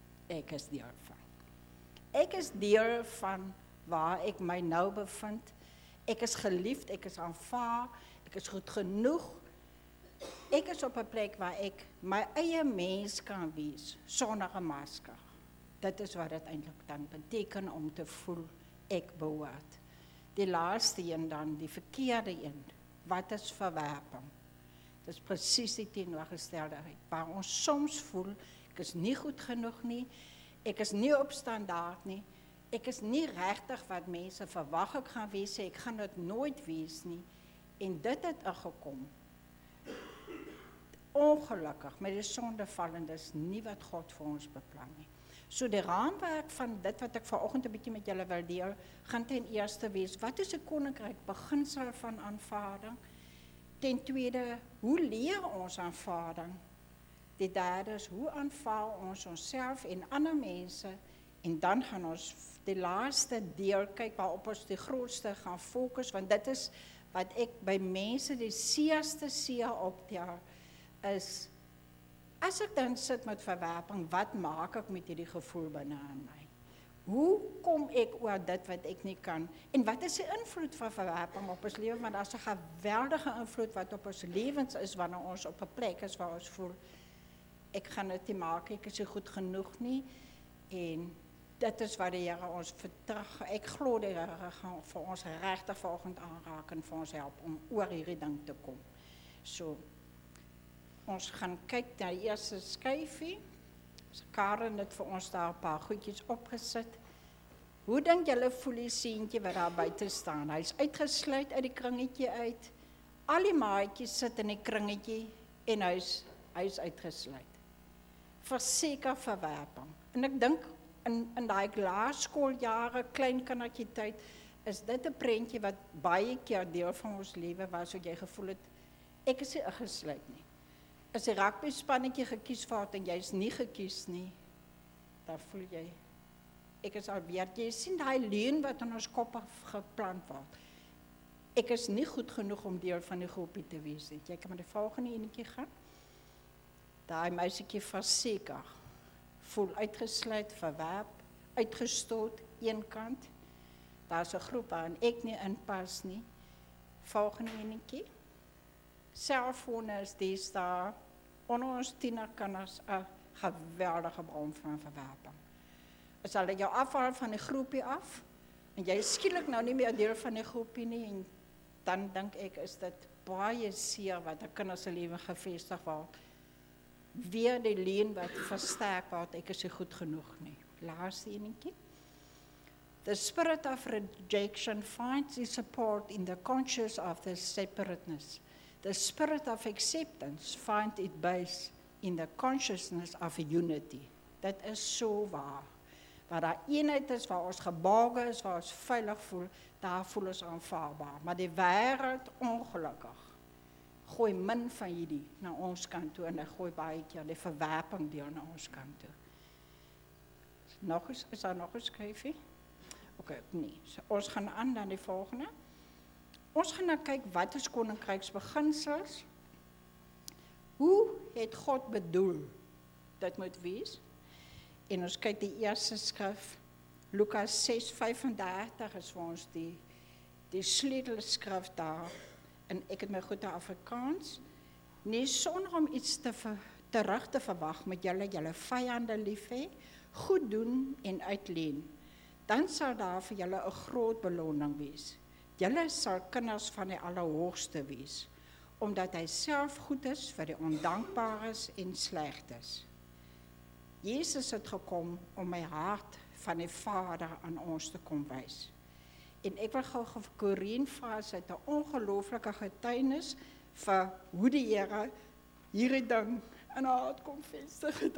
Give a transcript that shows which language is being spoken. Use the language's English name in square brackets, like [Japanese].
[Afrikaans] Ek is deel van. Ek is deel van waar ek my nou bevind. Ek is geliefd, ek is aanvaar, ek is goed genoeg. Ek is op 'n plek waar ek my eie mens kan wees, sonder 'n masker. Dit is wat dit eintlik dan beteken om te voel ek behoort. Die laaste een dan, die verkeerde een, wat is verwerping? Dit is precies die teenoorgesteldeheid, waar ons soms voel, ek is nie goed genoeg nie, ek is nie op standaard nie, ek is nie regtig wat mense verwag ek gaan wees, ek gaan dit nooit wees nie, en dit het ingekom. Ongelukkig, met die sondeval, en dit is nie wat God vir ons beplan nie. So die raamwerk van dit wat ek vanoggend 'n bietjie met julle wil deel, gaan ten eerste wees, wat is die koninkryk beginsel van aanvaarding? Ten tweede, hoe leer ons aanvaarding? Die derde is, hoe aanvaar ons onsself en ander mense? En dan gaan ons die laaste deel kyk waarop ons die grootste gaan fokus, want dit is wat ek by mense die seerste seer optel, is, as ek dan sit met verwerping, wat maak ek met die gevoel binne in my? Hoe kom ek oor dit wat ek nie kan? En wat is die invloed van verwerping op ons leven? Want as 'n geweldige invloed wat op ons levens is, wanneer ons op 'n plek is waar ons voel, ek gaan dit nie maak, ek is nie goed genoeg nie, en dit is wat die Here ons vertrag, ek glo die Here gaan vir ons regtig volgend aanraak en vir ons help om oor hierdie ding te kom. So, ons gaan kyk na die eerste skyfie. Karen het vir ons daar een paar goedjies opgesit. Hoe dink julle voel die seentjie wat daar buiten staan? Hy is uitgesluit uit die kringetjie uit. Al die maatjies sit in die kringetjie en hy is uitgesluit. Verseker verwerping. En ek dink in die laerskooljare, klein kindertjie tyd, is dit 'n prentjie wat baie keer deel van ons lewe was, wat jy gevoel het, ek is nie uitgesluit nie. As die rugby spannetjie gekies word en jy is nie gekies nie, dan voel jy, ek is alweer, jy sien die leun wat in ons kop geplant word. Ek is nie goed genoeg om deel van die groepie te wees. Jy kan met die volgende enetjie gaan, die muisiekie verseker, voel uitgesluit, verwerp, uitgestoot, een kant, daar is een groep waarin ek nie inpas nie, volgende enetjie, selfone is dies daar, onder ons tienerkinders, een geweldige bron van verwerping. As hulle jou afhaal van die groepie af, en jy is skielik nou nie meer deel van die groepie nie, en dan denk ek, is dit baie seer wat die kinders se lewe gevestig word, weer die leen wat versterk word, ek is nie goed genoeg nie. Laaste enetjie. [English] The spirit of rejection finds its support in the conscious of the separateness. The spirit of acceptance find it based in the consciousness of unity. [Afrikaans] Dit is so waar. Waar daar eenheid is, waar ons geborgen is, waar ons veilig voel, daar voel ons aanvaarbaar. Maar die wêreld, ongelukkig, gooi min van hierdie na ons kant toe en hy gooi baie keer die verwerping deel na ons kant toe. Nog eens, is daar nog eens skryfie? Oké, nee. So, ons gaan aan na die volgende. Ons gaan nou kyk, wat is koninkryks beginsels? Hoe het God bedoel? Dit moet wees. En ons kyk die eerste skrif, Lukas 6:35 is vir ons die die sleutelskrif daar, en ek het my goeie Afrikaans, nie sonder om iets terug te verwag met julle, julle vyande lief hê, goed doen en uitleen, dan sal daar vir julle 'n groot beloning wees. Julle sal kinders van die Allerhoogste wees, omdat hy self goed is vir die ondankbares en slegtes. Jesus het gekom om my hart van die Vader aan ons te kom wys. En ek wil gou vir Corien vas uit 'n ongelooflike getuienis vir hoe die Here hierdie ding in haar hart kom vestig het.